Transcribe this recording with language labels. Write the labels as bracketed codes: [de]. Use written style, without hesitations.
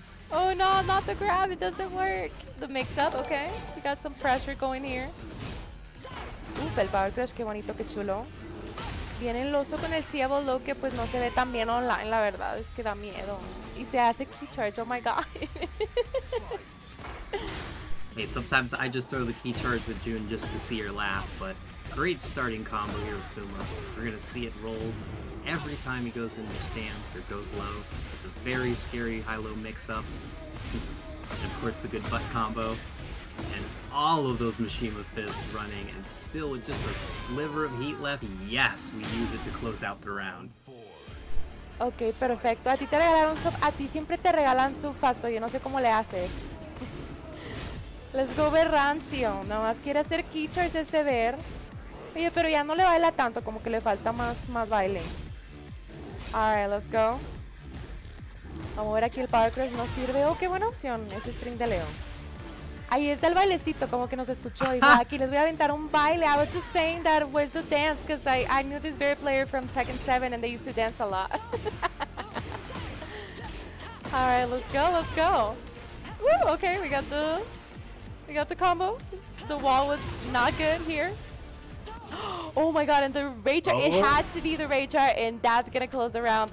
[en] Oh no, not the grab, it doesn't work. The mix up, okay. You got some pressure going here. [es] Uf, el power crush, qué bonito, qué chulo. Viene el oso con el cielo low que pues no se ve tan bien online, la verdad, es que da miedo. Y se hace key charge, [en] oh my god. Hey, sometimes I just throw the key charge with June just to see her laugh, but great starting combo here with Kuma. We're gonna see it rolls every time he goes into stance or goes low. It's a very scary high-low mix-up. And of course the good butt combo. And all of those Mishima fists running, and still with just a sliver of heat left, yes, we use it to close out the round. [es] Okay, perfecto. A ti te regalaron sub, a ti siempre te regalan sub fast, yo no sé cómo le haces. [en] Let's go [es] Berrancio, nada más quiere hacer key charge este ver. Oye, pero ya no le baila tanto, como que le falta más baile. [en] Alright, let's go. [es] Vamos a ver aquí el power crush, no sirve. Oh, qué buena opción, ese string de Leo. Ahí está el bailecito, como que nos escuchó. Y aquí les voy a aventar un baile. [en] I was just saying that, where's the dance? Because I knew this very player from Tekken 7 and they used to dance a lot. Alright, let's go. Woo, okay, we got the combo. The wall was not good here. Oh my god, and the rage art. Oh. It had to be the rage art, and that's gonna close the round.